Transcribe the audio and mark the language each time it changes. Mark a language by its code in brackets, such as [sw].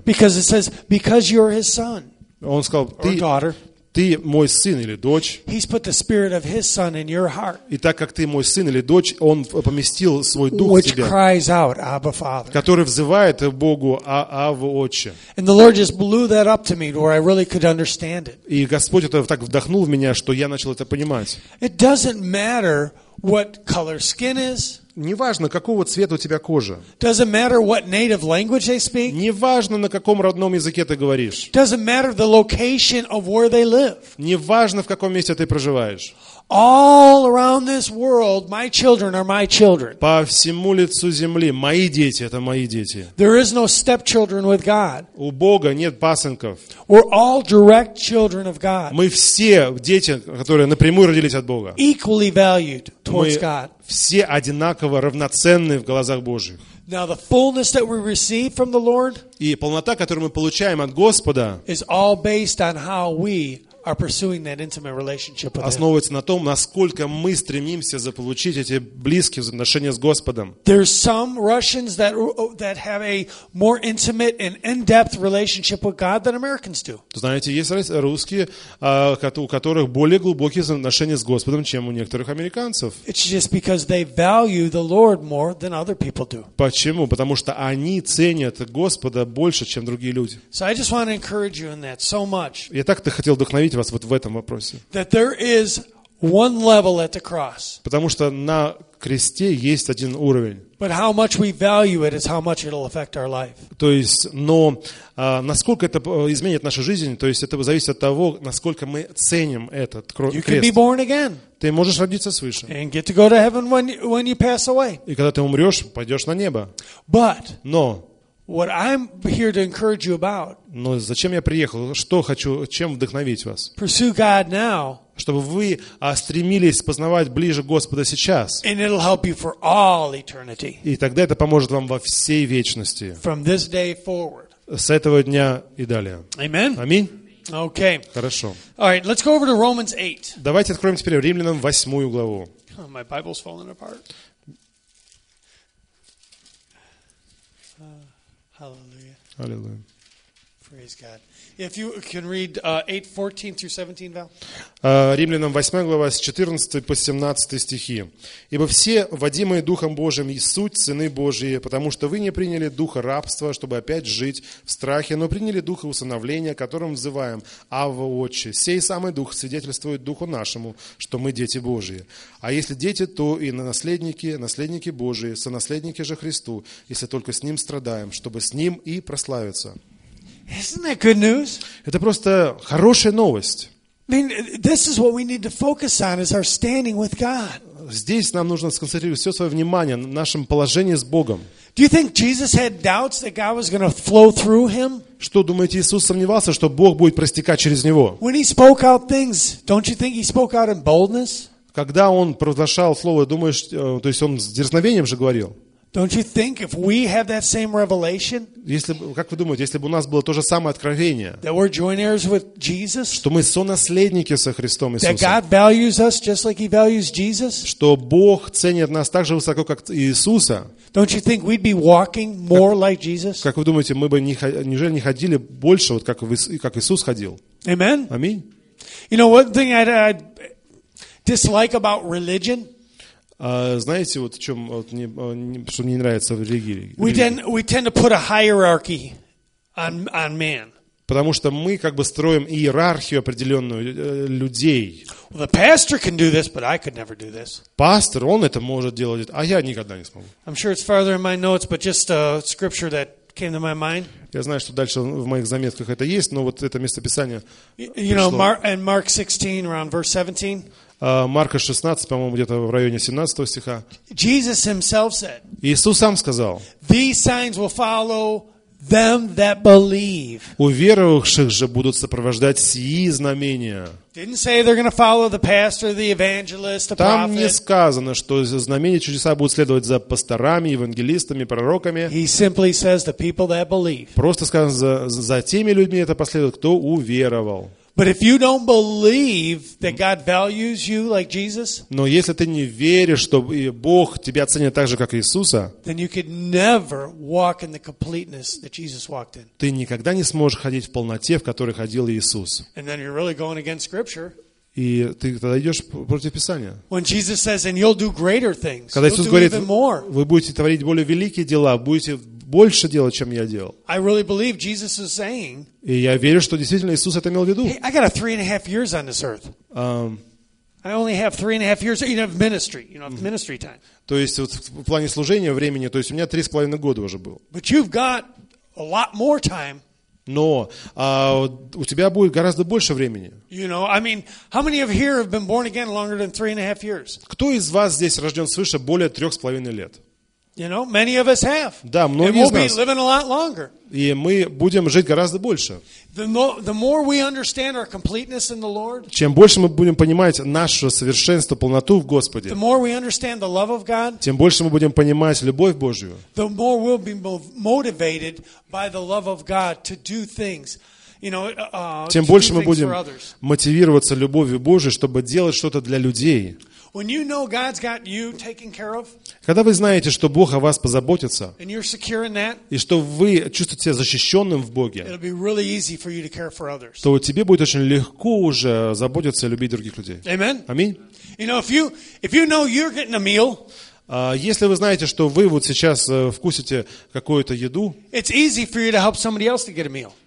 [en] Because it says, because you're His son. [ru] Он сказал, ты, [en] or daughter. [ru] Ты мой сын или дочь. [en] He's put the spirit of His son in your heart. [ru] И так как ты мой сын или дочь, Он поместил свой дух в тебя. [en] Which cries out, Abba, Father. [ru] Который взывает Богу, Авва, Отче. [en] And the Lord just blew that up to me, where I really could understand it. [ru] И Господь это так вдохнул в меня, что я начал это понимать. [en] It doesn't matter what color skin is. [ru] Неважно, какого цвета у тебя кожа. [en] Doesn't matter what native language they speak. [ru] Неважно, на каком родном языке ты говоришь. [en] Doesn't matter the location of where they live. [ru] Неважно, в каком месте ты проживаешь. [en] All around this world, my children are my children. [ru] По всему лицу земли мои дети это мои дети. [en] There is no stepchildren with God. [ru] У Бога нет пасынков. [en] We're all direct children of God. [ru] Мы все дети, которые напрямую родились от Бога. [en] Equally valued towards God. [ru] Все одинаково равноценны в глазах Божьих. [en] Now the fullness that we receive from the Lord [ru] и полнота, которую мы получаем от Господа, [en] is all based on how we are pursuing that intimate relationship with [ru] основывается на том, насколько мы стремимся заполучить эти близкие отношения с Господом. [en] There's some Russians that have a more intimate and in-depth relationship with God than Americans do. [ru] Знаете, есть русские, у которых более глубокие отношения с Господом, чем у некоторых американцев. [en] It's just because they value the Lord more than other people do. [ru] Почему? Потому что они ценят Господа больше, чем другие люди. [en] So I just want to encourage you in that so much. [ru] Я так-то хотел вдохновить вас вот в этом вопросе. [en] That there is one level at the cross. [ru] Потому что на кресте есть один уровень. [en] But how much we value it is how much it'll affect our life. [ru] То есть, но насколько это изменит нашу жизнь, то есть это зависит от того, насколько мы ценим этот крест. [en] You can be born again. [ru] Ты можешь родиться свыше. [en] And get to go to heaven when you pass away. [ru] И когда ты умрёшь, пойдёшь на небо. [en] But [ru] но [en] what I'm here to encourage you about. [ru] Но зачем я приехал? Что хочу, чем вдохновить вас? [en] Pursue God now. [ru] Чтобы вы стремились познавать ближе Господа сейчас. [en] And it'll help you for all eternity. [ru] И тогда это поможет вам во всей вечности. [en] From this day forward. [ru] С этого дня и далее. [en] Amen. [ru] Аминь. [en] Okay. [ru] Хорошо. [en] All right, let's go over to Romans 8. [ru] Давайте откроем теперь Римлянам 8 главу. [en] My Bible's falling apart. Hallelujah. Hallelujah. Praise God. If you can read 8:14 through 17, Val. [ru] Римлянам 8 глава с 14 по 17 стихи. Ибо все, водимые Духом Божиим, и суть сыны Божии, потому что вы не приняли духа рабства, чтобы опять жить в страхе, но приняли духа усыновления, которым взываем Авва Отче. Сей самый дух свидетельствует духу нашему, что мы дети Божии. А если дети, то и наследники, наследники Божии, сонаследники же Христу, если только с Ним страдаем, чтобы с Ним и прославиться. [en] Isn't that good news? [ru] Это просто хорошая новость. [en] I mean, this is what we need to focus on is our standing with God. [ru] Здесь нам нужно сконцентрировать всё своё внимание на нашем положении с Богом. [en] Do you think Jesus had doubts that God was going to flow through him? [ru] Что думаете, Иисус сомневался, что Бог будет протекать через него? [en] When he spoke out things, don't you think he spoke out in boldness? [ru] Когда он провозглашал слово, думаешь, то есть он с дерзновением же говорил? [en] Don't you think if we have that same revelation? [ru] Если бы, как вы думаете, если бы у нас было то же самое откровение? [en] That we're joint heirs with Jesus? [ru] Что мы сонаследники со Христом Иисусом? [en] That God values us just like he values Jesus? [ru] Что Бог ценит нас так же высоко, как Иисуса? [en] Don't you think we'd be walking more like Jesus? [ru] Как вы думаете, мы бы неужели не ходили больше вот как Иисус ходил? [en] Amen. [ru] Аминь. [en] You know one thing I'd dislike about religion? [ru] Знаете, вот в чём вот что мне не нравится в религии? [en] We tend to put a hierarchy on man. [ru] Потому что мы как бы строим иерархию определённую людей. [en] Well, the pastor can do this, but I could never do this. [ru] Пастор, он это может делать, а я никогда не смогу. [en] I'm sure it's further in my notes, but just a scripture that came to my mind. [ru] Я знаю, что дальше в моих заметках это есть, но вот это место писания. [en] You know, Mark 16 around verse 17. [ru] Марка 16, по-моему, где-то в районе 17 стиха. [en] Jesus himself said. [ru] Иисус сам сказал. [en] These signs will follow them that believe. [ru] Уверовавших же будут сопровождать сии знамения. [en] Didn't say they're going to follow the pastor, the evangelist, the [ru] Там [en] prophet. [ru] Не сказано, что знамения чудеса будут следовать за пасторами, евангелистами, пророками. [en] He simply says the people that believe. [ru] Просто сказано за теми людьми это последует, кто уверовал. [en] But if you don't believe that God values you like Jesus, [ru] Но если ты не веришь, что Бог тебя ценит так же, как Иисуса, [en] then you could never walk in the completeness that Jesus walked in. [ru] Ты никогда не сможешь ходить в полноте, в которой ходил Иисус. [en] And then you're really going against scripture. [ru] И ты тогда идёшь против Писания. [en] When Jesus says and you'll do greater things. [ru] Когда Иисус говорит, вы будете творить более великие дела, будете больше делать, чем я делал. [en] I really believe Jesus was saying. [ru] И я верю, что действительно Иисус это имел в виду. [en] Hey, I got a 3.5 years on this earth. I only have 3.5 years of ministry, you know, of ministry time. [ru] То есть вот в плане служения времени, то есть у меня 3.5 года уже было. [en] But you've got a lot more time. [ru] Но у тебя будет гораздо больше времени. [en] You know, I mean, how many of here have been born again longer than 3.5 years? [ru] Кто из вас здесь рожден свыше более 3.5 лет? [en] You know, many of us have. [ru] Да, многие из нас. [en] And we'll be living a lot longer. [ru] И мы будем жить гораздо больше. [en] The more we understand our completeness in the Lord. [ru] Чем больше мы будем понимать наше совершенство, полноту в Господе. [en] The more we understand the love of God. [ru] Тем больше мы будем понимать любовь Божию. [en] The more we'll be motivated by the love of God to do things [ru] тем больше мы будем мотивироваться любовью Божией, чтобы делать что-то для людей. [en] When you know God's got you taken care of, [ru] когда вы знаете, что Бог о вас позаботится, [en] and you're secure in that, [ru] и что вы чувствуете себя защищенным в Боге, [en] it'll be really easy for you to care for others. [ru] То тебе будет очень легко уже заботиться и любить других людей. [en] Amen. [ru] Аминь. [en] You know, if you know you're getting a meal, [ru] если вы знаете, что вы вот сейчас вкусите какую-то еду, [en] it's easy for you to help somebody else to get a meal.